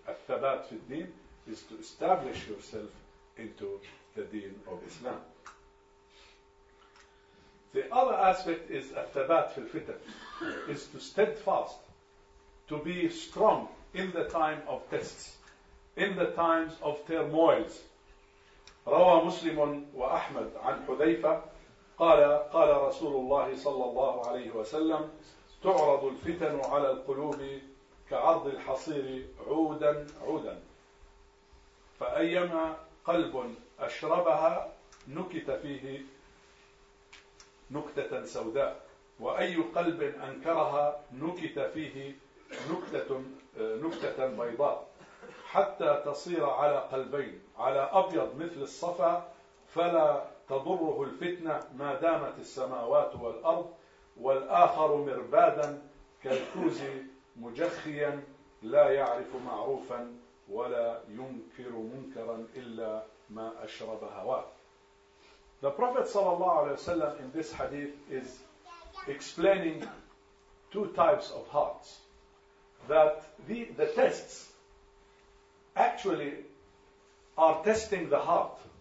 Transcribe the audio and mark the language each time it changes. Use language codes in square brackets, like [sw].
[en] Al-thabat fi al-deen is to establish yourself into the deen of Islam. The other aspect is al-thabat fi al-fitan, is to steadfast, to be strong in the time of tests, in the times of turmoils. [ar] روى مسلم وأحمد عن حذيفة قال رسول الله صلى الله عليه وسلم تعرض الفتن على القلوب كعرض الحصير عودا عودا فأيما قلب أشربها نكت فيه نكتة سوداء وأي قلب أنكرها نكت فيه نكتة بيضاء حتى تصير على قلبين على أبيض مثل الصفا فلا تضره الفتنة ما دامت السماوات والأرض والآخر مربادا كالكوز مجخيا لا يعرف معروفا ولا ينكر منكرا إلا ما أشرب هواه. [en] The Prophet صلى الله عليه وسلم in this hadith is explaining 2 types of hearts. that the tests actually are testing the heart.